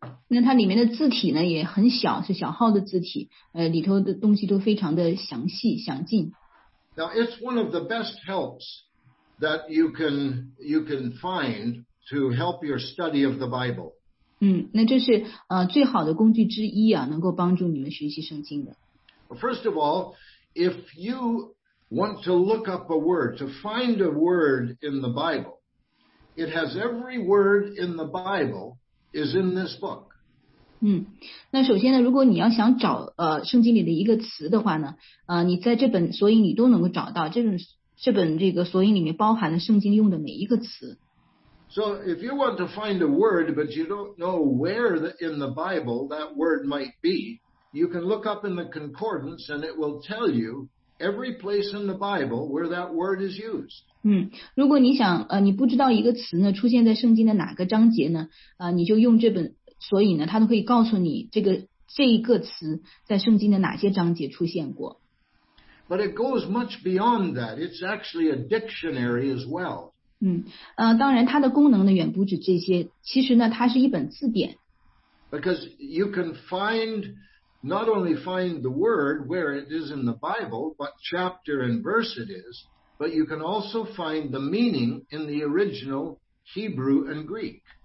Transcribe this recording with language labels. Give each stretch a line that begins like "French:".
Chinese: 那它里面的字体呢也很小，是小号的字体。里头的东西都非常的详细详尽。
English: Now it's one of the best helps that you can find. To help your study of the Bible.
Chinese: 那这是最好的工具之一啊，能够帮助你们学习圣经的。
English: First of all, if you want to look up a word, to find a word in the Bible, it has every word in the Bible is in this book.
Chinese: 那首先呢，如果你要想找圣经里的一个词的话呢，你在这本索引里都能够找到，这本这个索引里面包含了圣经用的每一个词。
English: So if you want to find a word, but you don't know where in the Bible that word might be, you can look up in the concordance and it will tell you every place in the Bible where that word is used.
Chinese: 如果你想你不知道一个词呢出现在圣经的哪个章节呢你就用这本索引呢它都可以告诉你这一个词在圣经的哪些章节出现过。
English: But it goes much beyond that. It's actually a dictionary as well.
Chinese: 当然它的功能呢远不止这些，其实呢它是一本字典。
English: Because you can not only find the word where it is in the Bible, what chapter and verse it is, but you can also find the meaning in the original Hebrew and Greek.